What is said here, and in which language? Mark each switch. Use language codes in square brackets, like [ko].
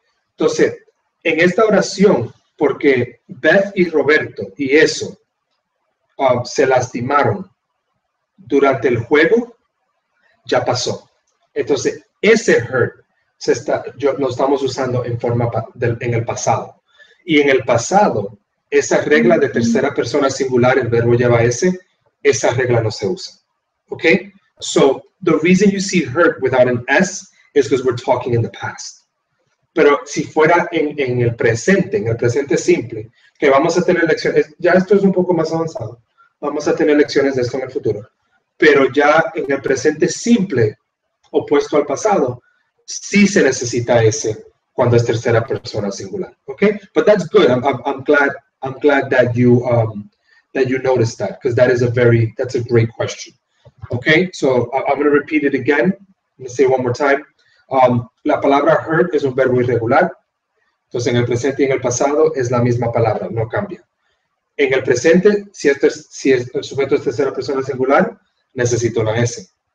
[es] Entonces, en esta oración, porque Beth y Roberto y eso se lastimaron durante el juego, ya pasó. Entonces, ese hurt lo estamos usando en forma en el pasado. Y en el pasado, esa regla de tercera persona singular, el verbo lleva ese, esa regla no se usa. [en] Okay? So, the reason you see hurt without an S is because we're talking in the past. [es] Pero si fuera en el presente simple, que vamos a tener lecciones, ya esto es un poco más avanzado, vamos a tener lecciones de esto en el futuro. Pero ya en el presente simple, opuesto al pasado, sí se necesita ese cuando es tercera persona singular. [en] Okay? But that's good. I'm glad that you noticed that, because that's a great question. Okay? So I'm going to repeat it again. I'm going to say it one more time. [es] La palabra hurt es un verbo irregular. Entonces en el presente y en el pasado es la misma palabra, no cambia. En el presente, si el sujeto es tercera persona singular, necesito una S.